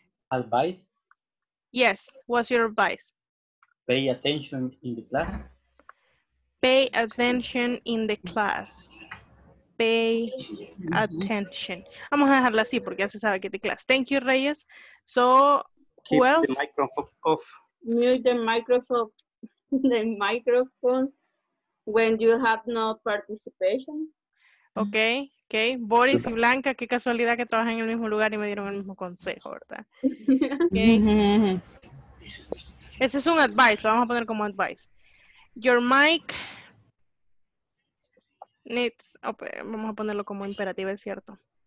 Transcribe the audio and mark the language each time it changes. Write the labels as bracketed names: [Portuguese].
[English] Advice. Yes, what's your advice? Pay attention in the class. Pay attention in the class. Pay attention. [Spanish] Vamos a dejarla así porque ya se sabe que es de clase. [English] Thank you, Reyes. So, keep who else? The microphone off. Mute the microphone when you have no participation. Okay, okay. [Spanish] Boris y Blanca, qué casualidad que trabajan en el mismo lugar y me dieron el mismo consejo, ¿verdad? Okay. Ese es un advice, lo vamos a poner como advice. [English] Your mic needs, [Spanish] vamos a ponerlo como imperativo, es cierto.